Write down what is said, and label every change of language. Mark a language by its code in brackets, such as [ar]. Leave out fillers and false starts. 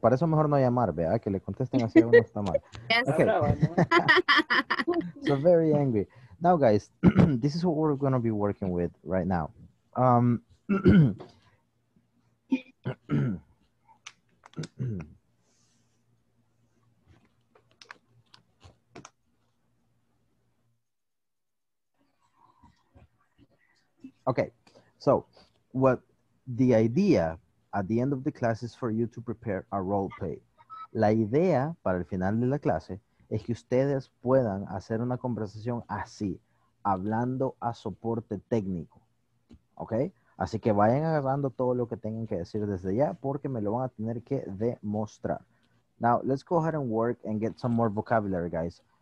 [es] Para eso mejor no llamar, vea, que le contesten así a uno está mal. [en] Yes. Okay. So very angry. Now, guys, this is what we're going to be working with right now. Okay, so what the idea at the end of the class is for you to prepare a role play. [es] La idea para el final de la clase es que ustedes puedan hacer una conversación así, hablando a soporte técnico, okay? Así que vayan agarrando todo lo que tengan que decir desde ya porque me lo van a tener que demostrar. [en] Now, let's go ahead and work and get some more vocabulary, guys.